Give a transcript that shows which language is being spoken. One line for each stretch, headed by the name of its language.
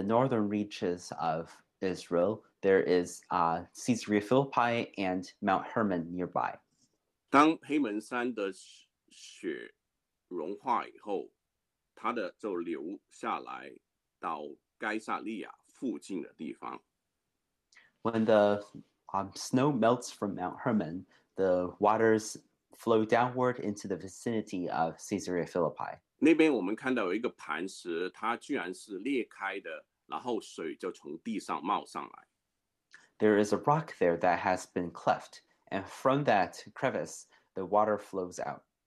English: is in the northern reaches of Israel, there is Caesarea Philippi and Mount Hermon nearby.
Chinese: 当黑门山的雪融化以后，它的就流下来到该撒利亚附近的地方。
English: When the snow melts from Mount Hermon, the waters flow downward into the vicinity of Caesarea Philippi.
Chinese: 那边我们看到有一个磐石，它居然是裂开的。然后水就从地上冒上来。
English: There is a rock there that has been cleft, and from that crevice, the water flows out.